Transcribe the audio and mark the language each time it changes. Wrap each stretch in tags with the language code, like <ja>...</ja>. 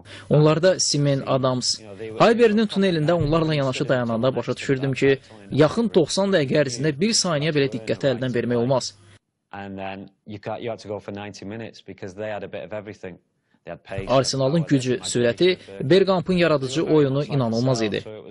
<az>Onlarda Simon, Adams. Hayberinin tunelində onlarla yanaşı dayananda başa düşürdüm ki, yaxın 90 dəqiqə ərzində bir saniyə belə diqqəti əldən vermək olmaz.</az> <en>And then you had to go for 90 minutes because they had a bit of everything. They had pace.</en> <az>Arsenalın gücü, sürəti, Bergkamp'ın yaradıcı oyunu inanılmaz idi.</az>